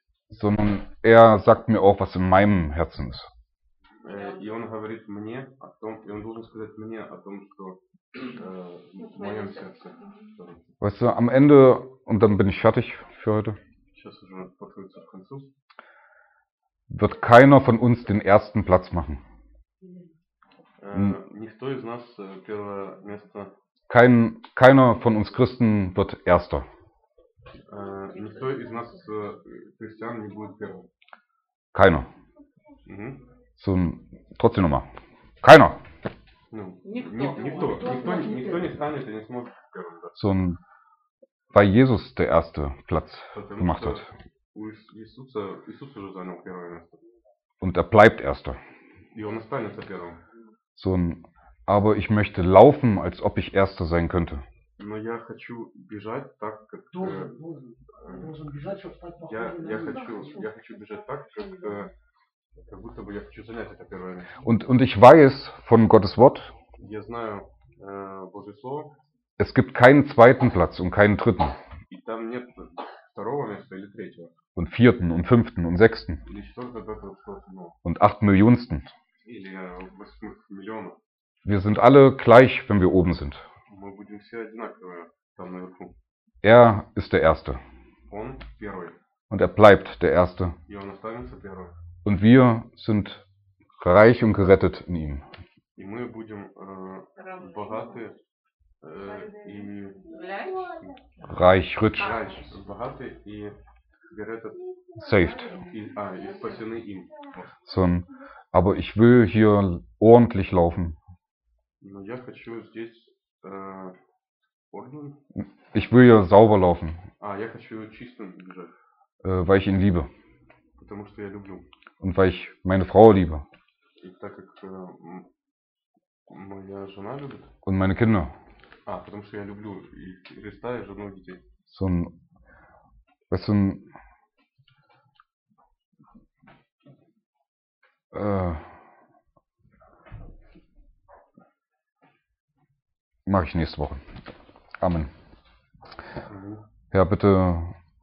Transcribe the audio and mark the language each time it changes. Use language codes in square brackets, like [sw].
[de] Sondern er sagt mir auch, was in meinem Herzen ist. [ru] И он говорит мне о том, и он должен сказать мне о том, что в моем сердце. [de] Weißt du, am Ende, und dann bin ich fertig für heute. [ru] Сейчас уже подходит к концу. [de] Wird keiner von uns den ersten Platz machen. [ru] Никто из нас первое место. [de] Keiner von uns Christen wird Erster. [ru] Никто из нас христиан не будет первым. [de] Keiner. So, trotzdem nochmal. Keiner. [ru] Никто не станет и не сможет. [de] So, weil Jesus der erste Platz gemacht hat. [ru] Иисус уже занял первое место. [de] Und er bleibt Erster. [ru] И он останется первым. [de] So, aber ich möchte laufen, als ob ich Erster sein könnte. [ru] Но я хочу бежать так, как... Должен бежать, чтобы стать похожим на Иисуса. Я хочу бежать так, как... Как будто бы я хочу занять это первое место. [de] Und ich weiß von Gottes Wort. [ru] Я знаю Божье слово. [de] Es gibt keinen zweiten Platz und keinen dritten. [ru] И там нет второго места или третьего. [de] Und vierten und fünften und sechsten. [ru] Или столько, как это сказано. [de] Und acht Millionsten. [ru] Или 8 миллионов. [de] Wir sind alle gleich, wenn wir oben sind. [ru] Мы будем все одинаковы там наверху. [de] Er ist der Erste. [ru] Он первый. [de] Und er bleibt der Erste. [ru] И он останется первым. [de] Und wir sind reich und gerettet in ihm. [ru] И мы будем богаты и [de] reich, [en] rich. [de] Reich, [ru] богаты и [de] gerettet. [en] Saved. [ru] И спасены им. [de] So, aber ich will hier ordentlich laufen. [ru] Но я хочу здесь [de] ordentlich. Ich will hier sauber laufen. [ru] Я хочу чистым бежать. [de] Weil ich ihn liebe. [ru] Потому что я люблю. [de] Und weil ich meine Frau liebe. [ru] И так как моя жена любит. [de] Und meine Kinder. [ru] Потому что я люблю и Христа, и жену, и детей. [de] So ein, weißt du, mach ich nächste Woche. Amen. Ja, bitte.